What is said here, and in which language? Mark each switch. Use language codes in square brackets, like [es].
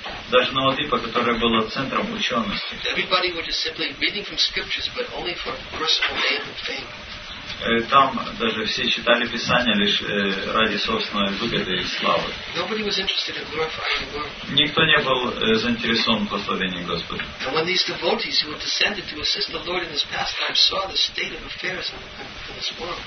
[ru] Даже Навадвипа, которая была центром учености. [en] Everybody was just simply reading from scriptures, but only for personal gain and fame. [ru] Там даже все читали Писание лишь ради собственной выгоды и славы. [en] Nobody was interested in glorifying the Lord. [ru] Никто не был заинтересован в прославлении Господа. [en] And when these devotees who had descended to assist the Lord in his pastime saw the state of affairs in this world.